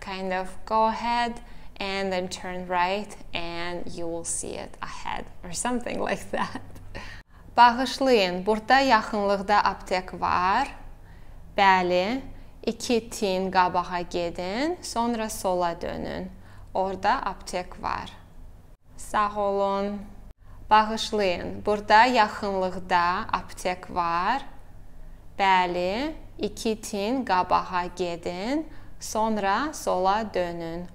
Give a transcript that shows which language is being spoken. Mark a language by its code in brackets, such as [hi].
[en] Kind of go ahead and then turn right and you will see it ahead or something like that. [az] Bağışlayın, burada yaxınlıqda aptek var. Bəli, iki tin qabağa gedin, sonra sola dönün. Orada aptek var. Sağ olun. Bağışlayın, burada yaxınlıqda aptek var. Bəli, iki tin qabağa gedin, sonra sola dönün.